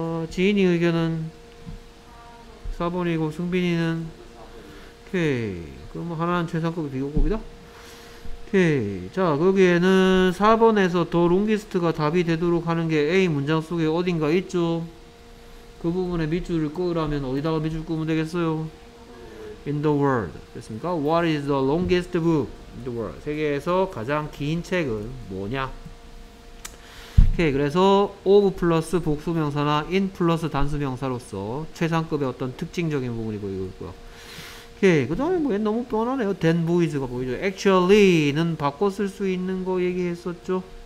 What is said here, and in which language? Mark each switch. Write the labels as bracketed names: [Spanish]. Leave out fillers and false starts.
[Korean] 지인이 의견은 4번이고 승빈이는 오케이. 그럼 하나는 최상급이 비교급이다. 오케이. 자, 거기에는 4번에서 더 롱기스트가 답이 되도록 하는 게 A 문장 속에 어딘가 있죠. 그 부분에 밑줄을 끄으라면 어디다가 밑줄 끄면 되겠어요? [English] In the world. [Korean] 됐습니까? [English] What is the longest book in the world? [Korean] 세계에서 가장 긴 책은 뭐냐? 오케이. 그래서 of 플러스 복수명사나 in 플러스 단수명사로서 최상급의 어떤 특징적인 부분이 보이고 있고요. 오케이. 그 다음에 뭐 너무 뻔하네요. then boys가 보이죠. actually는 바꿔 쓸 수 있는 거 얘기했었죠.